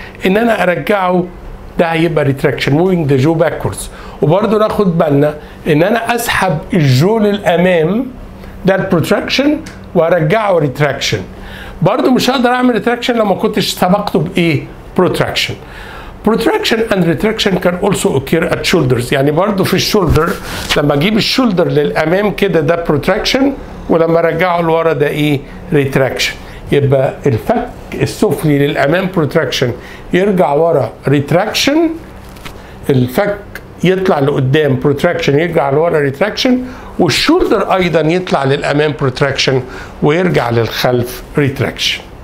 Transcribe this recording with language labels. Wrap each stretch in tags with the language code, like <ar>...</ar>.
<ar>ان انا ارجعه ده هيبقى ريتراكشن،</ar> <en>موفينج ذا جو باكوردز.</en> <ar>وبرده ناخد بالنا ان انا اسحب الجو للامام ده البروتراكشن وارجعه ريتراكشن. برده مش هقدر اعمل ريتراكشن لو ما كنتش سبقته بايه بروتراكشن.</ar> <en>Protraction and retraction can also occur at shoulders.</en> <ar>يعني برضو في الشولدر لما اجيب الشولدر للامام كده ده protraction، ولما ارجعه لورا ده ايه retraction. يبقى الفك السفلي للامام protraction، يرجع ورا retraction، الفك يطلع لقدام protraction يرجع لورا retraction، والشولدر ايضا يطلع للامام protraction ويرجع للخلف retraction.</ar>